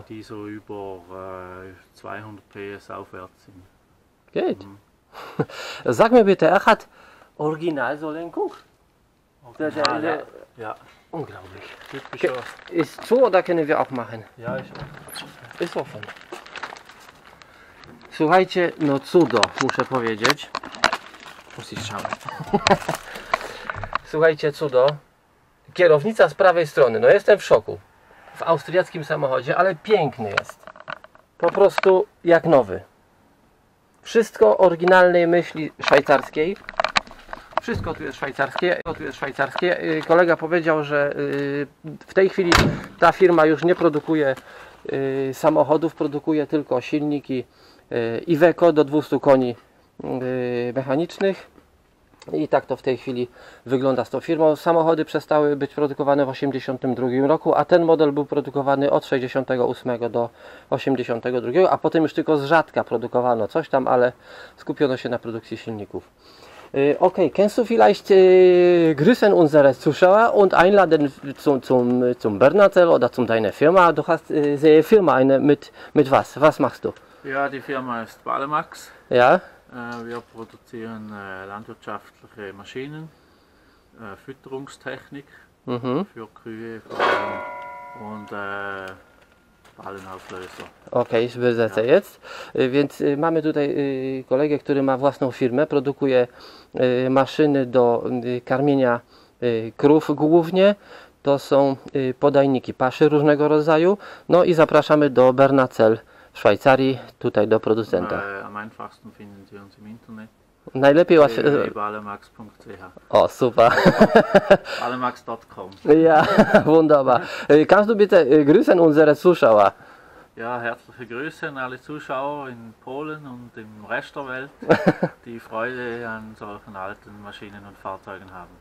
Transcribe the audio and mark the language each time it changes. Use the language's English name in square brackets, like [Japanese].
[German] Die so über 200 PS aufwärts sind. Geht. Sag mir bitte, er hat original so Lenkung? Original, ja. Ja. Unglaublich. Typischer. Ist zu oder können wir auch machen? Ja, ich auch. Ist offen. [Polish] Słuchajcie, no cudo, muszę powiedzieć. Musisz szaleć. Słuchajcie, cudo. Kierownica z prawej strony, no jestem w szoku. W austriackim samochodzie, ale piękny jest. Po prostu jak nowy. Wszystko oryginalnej myśli szwajcarskiej. Wszystko tu jest szwajcarskie. Kolega powiedział, że w tej chwili ta firma już nie produkuje samochodów, produkuje tylko silniki Iveco do 200 koni mechanicznych. I tak to w tej chwili wygląda z tą firmą. Samochody przestały być produkowane w 82 roku, a ten model był produkowany od 68 do 82, a potem już tylko z rzadka produkowano coś tam, ale skupiono się na produkcji silników. [German] Okej, kannst du vielleicht grüßen unsere Zuschauer und einladen zum Bernatel oder zum deine Firma? Du hast sehr Firma eine mit was? Was machst du? Ja, die Firma ist Balemax. Ja. Wir produzieren landwirtschaftliche Maschinen, Fütterungstechnik für Kühe und Ballenauflöser. Okej, okay, übersetze jetzt. [Polish] Więc mamy tutaj kolegę, który ma własną firmę, produkuje maszyny do karmienia krów głównie. to są podajniki paszy różnego rodzaju. No i zapraszamy do Bernacel w Szwajcarii, tutaj do producenta. [German] Am einfachsten finden Sie uns im Internet. [Polish] Najlepiej łatwiej. [German] www.balemax.ch. O, super. Balemax.com. Ja, wunderbar. Kannst du bitte grüßen unsere Zuschauer? Ja, herzliche Grüße an alle Zuschauer in Polen und im Rest der Welt, die Freude an solchen alten Maschinen und Fahrzeugen haben.